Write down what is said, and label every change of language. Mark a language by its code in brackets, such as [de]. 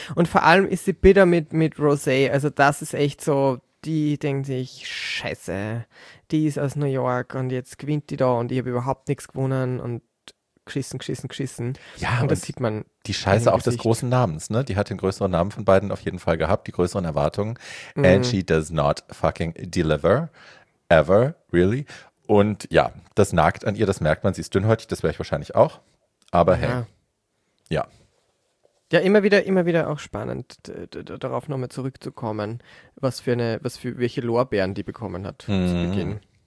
[de] Und vor allem ist sie bitter mit Rosé. Also das ist echt so, die denkt sich, scheiße, die ist aus New York und jetzt gewinnt die da und ich habe überhaupt nichts gewonnen und geschissen. Ja, und das sieht man. Die Scheiße auch des großen Namens, ne? Die hat den größeren Namen von beiden auf jeden Fall gehabt, die größeren Erwartungen. Mm. [en] And she does not fucking deliver. Ever, really. [de] Und ja, das nagt an ihr, das merkt man. Sie ist dünnhäutig, das wäre ich wahrscheinlich auch. Aber hey. Ja. Ja, immer wieder auch spannend, darauf nochmal zurückzukommen, welche Lorbeeren die bekommen hat zu Beginn.